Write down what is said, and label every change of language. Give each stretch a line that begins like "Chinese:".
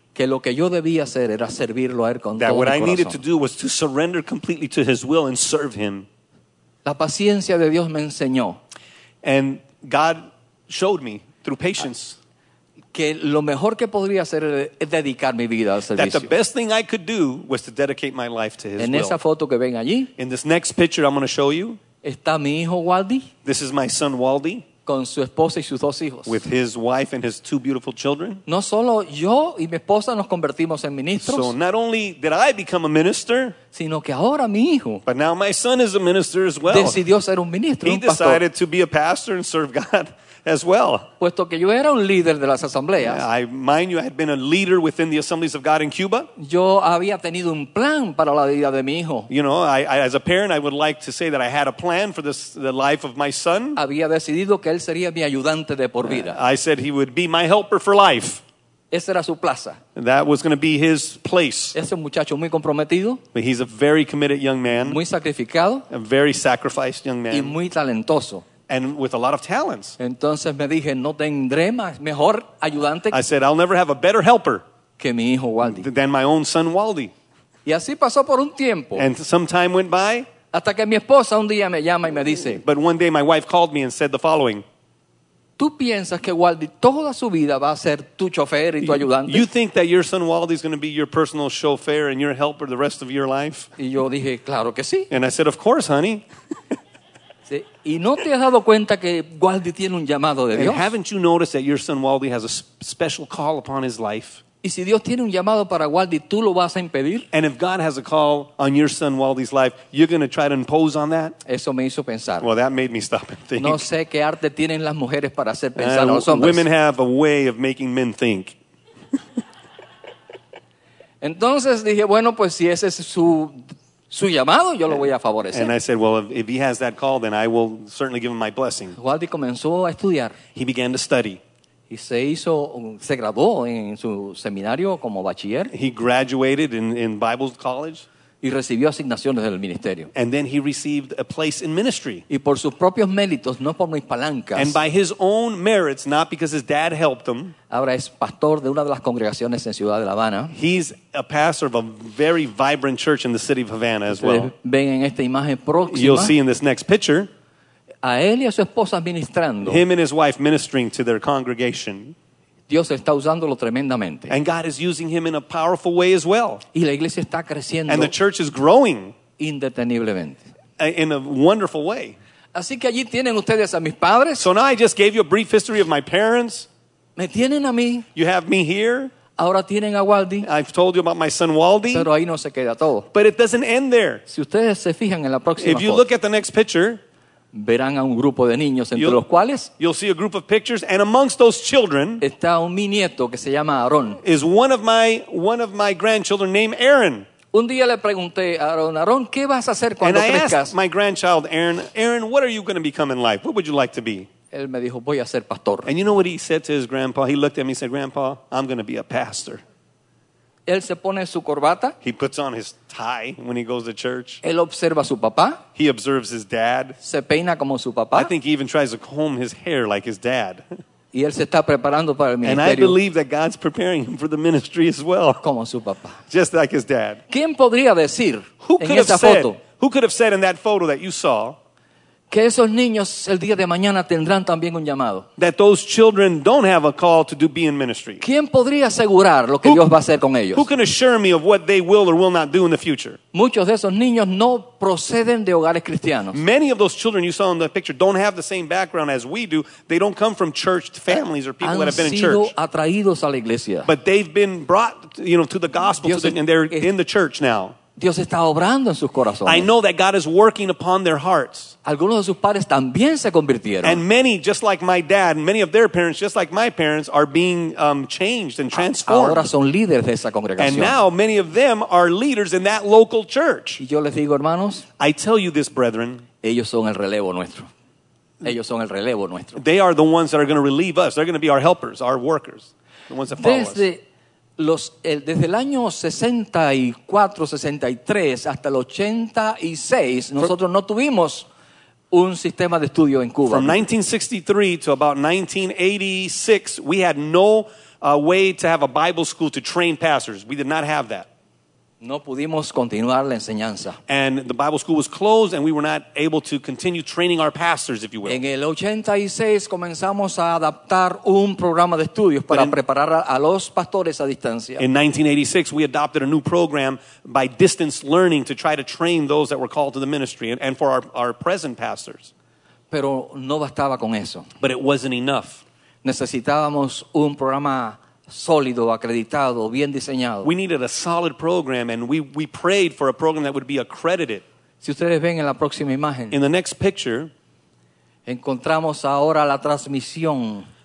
Spanish: que lo que yo debía hacer era servirlo a él con todo mi corazón.
English: That what I needed to do was to surrender completely to his will and serve him.
Spanish: La paciencia de Dios me enseñó,
English: and God showed me through patience,
Spanish: que lo mejor que podría hacer es dedicar mi vida al servicio.
English: That the best thing I could do was to dedicate my life to his will.
Spanish: En esa foto que ven allí,
English: in this next picture I'm going to show you,
Spanish: está mi hijo Waldy.
English: This is my son Waldy.
Spanish: Con su esposa y sus dos hijos.
English: With his wife and his two beautiful children.
Spanish: No solo yo y mi esposa nos convertimos en ministros.
English: So not only did I become a minister,
Spanish: sino que ahora mi hijo,
English: but now my son is a minister as well.
Spanish: Decidió ser un ministro,
English: he
Spanish: un
English: decided
Spanish: pastor.
English: To be a pastor and serve God as well.
Spanish: Puesto que yo era un líder de las asambleas,
English: I mind you, I had been a leader within the Assemblies of God in Cuba.
Spanish: Yo había tenido un plan para la vida de mi hijo.
English: You know, I, as a parent, I would like to say that I had a plan for this, the life of my son.
Spanish: Había decidido que él sería mi ayudante de por vida.
English: I said he would be my helper for life.
Spanish: Esa era su plaza.
English: That was going to be his place.
Spanish: Es un muchacho muy comprometido.
English: But he's a very committed young man.
Spanish: Muy sacrificado.
English: A very sacrificed young man.
Spanish: Y muy talentoso.
English: And with a lot of talents.
Spanish: Entonces me dije, no tendré más mejor ayudante.
English: I said, I'll never have a better helper
Spanish: que mi hijo Waldy.
English: Than my own son Waldy.
Spanish: Y así pasó por un tiempo.
English: And some time went by.
Spanish: Hasta que mi esposa un día me llama y me dice.
English: But one day my wife called me and said the following.
Spanish: ¿Tú piensas que Waldy toda su vida va a ser tu chofer y tu ayudante?
English: You think that your son Waldy is going to be your personal chauffeur and your helper the rest of your life?
Spanish: Y yo dije, claro que sí.
English: And I said, of course, honey.
Spanish: Sí. ¿Y no te has dado cuenta que Waldy tiene un llamado de Dios?
English: And haven't you noticed that your son Waldy has a special call upon his life?
Spanish: ¿Y si Dios tiene un llamado para Waldy, tú lo vas a impedir?
English: And if God has a call on your son Waldy's life, you're going to try to impose on that?
Spanish: Eso me hizo pensar.
English: Well, that made me stop and think.
Spanish: No sé qué arte tienen las mujeres para hacer pensar a los hombres.
English: Women have a way of making men think.
Spanish: Entonces dije, bueno, pues si ese es su llamado, yo lo voy a favorecer.
English: And I said, well, if he has that call, then I will certainly give him my blessing.
Spanish: Waldy comenzó a estudiar.
English: He began to study.
Spanish: Y se graduó en su seminario como bachiller.
English: He graduated in Bible college.
Spanish: Y recibió asignaciones del ministerio.
English: And then he received a place in ministry.
Spanish: Y por sus propios méritos, no por mis palancas.
English: And by his own merits, not because his dad helped him.
Spanish: Ahora es pastor de una de las congregaciones en Ciudad de La Habana.
English: He's a pastor of a very vibrant church in the city of Havana as well.
Spanish: Ven en esta imagen próxima.
English: You'll see in this next picture.
Spanish: A él y a su esposa ministrando.
English: Him and his wife ministering to their congregation.
Spanish: Dios está usándolo tremendamente.
English: And God is using him in a powerful way as well.
Spanish: Y la iglesia está creciendo.
English: And the church is growing.
Spanish: Indeteniblemente.
English: In a wonderful way.
Spanish: Así que allí tienen ustedes a mis padres.
English: So now I just gave you a brief history of my parents.
Spanish: Me tienen a mí.
English: You have me here.
Spanish: Ahora tienen a Waldy.
English: I've told you about my son Waldy.
Spanish: Pero ahí no se queda todo.
English: But it doesn't end there.
Spanish: Si ustedes se fijan en la próxima foto.
English: If you look at the next picture.
Spanish: Verán a un grupo de niños entre los cuales
English: you'll see a group of pictures, and amongst those children
Spanish: está un mi nieto que se llama Aaron.
English: Is one of my grandchildren named Aaron.
Spanish: Un día le pregunté a Aaron, ¿qué vas a hacer cuando crezcas?
English: And I asked my grandchild Aaron, what are you going to become in life? What would you like to be?
Spanish: Él me dijo, voy a ser pastor.
English: And you know what he said to his grandpa? He looked at me and said, Grandpa, I'm going to be a pastor.
Spanish: Él se pone su corbata.
English: He puts on his tie when he goes to church.
Spanish: Él observa a su papá.
English: He observes his dad.
Spanish: Se peina como su papá.
English: I think he even tries to comb his hair like his dad.
Spanish: Y él se está preparando para el ministerio.
English: And I believe that God's preparing him for the ministry as well.
Spanish: Como su papá.
English: Just like his dad.
Spanish: ¿Quién podría decir en esta foto?
English: Who could have said in that photo that you saw
Spanish: que esos niños el día de mañana tendrán también un llamado?
English: That those children don't have a call to be in ministry.
Spanish: ¿Quién podría asegurar lo que Dios va a hacer con ellos?
English: Who can assure me of what they will or will not do in the future?
Spanish: Muchos de esos niños no proceden de hogares cristianos.
English: Many of those children you saw in the picture don't have the same background as we do. They don't come from church families or people that have been in church.
Spanish: Han sido atraídos a la iglesia.
English: But they've been brought, you know, to the gospel, and they're in the church now.
Spanish: Dios está obrando en sus corazones.
English: I know that God is working upon their hearts.
Spanish: Algunos de sus padres también se convirtieron.
English: And many, just like my dad, many of their parents, just like my parents, are being changed and transformed.
Spanish: Ahora son líderes de esa congregación.
English: And now many of them are leaders in that local church.
Spanish: Y yo les digo, hermanos,
English: I tell you this, brethren,
Spanish: ellos son el relevo nuestro. Ellos son el relevo nuestro.
English: They are the ones that are going to relieve us. They're going to be our helpers, our workers, the ones that follow us.
Spanish: Desde el año 64, 63 hasta el 86, nosotros no tuvimos un sistema de estudio en Cuba.
English: From 1963 to about 1986, we had no way to have a Bible school to train pastors. We did not have that.
Spanish: No pudimos continuar la enseñanza.
English: And the Bible school was closed and we were not able to continue training our pastors, if you will.
Spanish: En el 86 comenzamos a adaptar un programa de estudios para preparar a los pastores a distancia.
English: In 1986, we adopted a new program by distance learning to try to train those that were called to the ministry and for our present pastors.
Spanish: Pero no bastaba con eso.
English: But it wasn't enough.
Spanish: Necesitábamos un programa sólido, acreditado, bien diseñado.
English: We needed a solid program and we prayed for a program that would be accredited.
Spanish: Si ustedes ven en la próxima imagen,
English: in the next picture,
Spanish: encontramos ahora la transmisión.